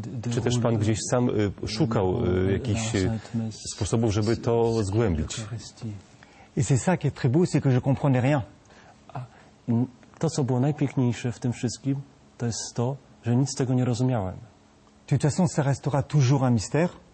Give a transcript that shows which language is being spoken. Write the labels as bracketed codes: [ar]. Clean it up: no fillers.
[pl] Czy też pan gdzieś sam szukał jakichś sposobów, żeby to zgłębić? [fr] I c'est ça qui est très beau, c'est que je comprenais rien. [pl] To, co było najpiękniejsze w tym wszystkim, to jest to, że nic z tego nie rozumiałem. [fr] De toute façon, ça restera toujours un mystère.